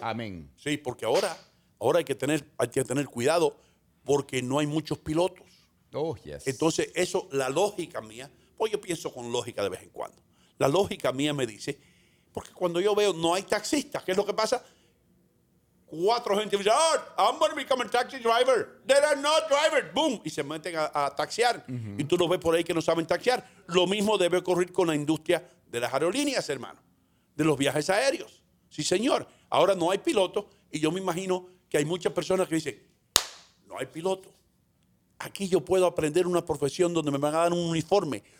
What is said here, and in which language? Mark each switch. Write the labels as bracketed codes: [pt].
[es] Amén. Sí, porque ahora hay que tener cuidado porque no hay muchos pilotos. [en] Oh, yes. [es] Entonces, eso, la lógica mía, pues yo pienso con lógica de vez en cuando. La lógica mía me dice, porque cuando yo veo no hay taxistas, ¿qué es lo que pasa? Cuatro gente dice, [en] I'm going to become a taxi driver. There are no drivers. Boom. [es] Y se meten a taxiar. [en] Uh-huh. [es] Y tú los ves por ahí que no saben taxiar. Lo mismo debe ocurrir con la industria de las aerolíneas, hermano, de los viajes aéreos. Sí, señor. Ahora no hay piloto y yo me imagino que hay muchas personas que dicen, no hay piloto. aquí yo puedo aprender una profesión donde me van a dar un uniforme.